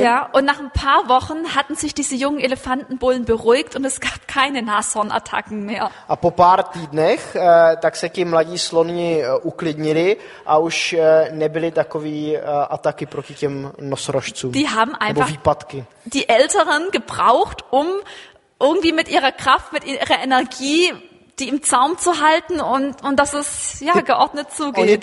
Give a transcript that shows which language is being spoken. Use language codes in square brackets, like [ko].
[de] Ja, und nach ein paar Wochen hatten sich diese jungen Elefantenbullen beruhigt und es gab keine Nashornattacken mehr. [cs] A po pár týdnech tak se ti mladí sloni uklidnili a už nebyly takový ataky proti těm nosorožcům. [de] Die haben einfach [cs] výpadky. [de] Die älteren gebraucht, um irgendwie mit ihrer Kraft, mit ihrer Energie die im Zaum zu halten und dass es ja geordnet zugeht.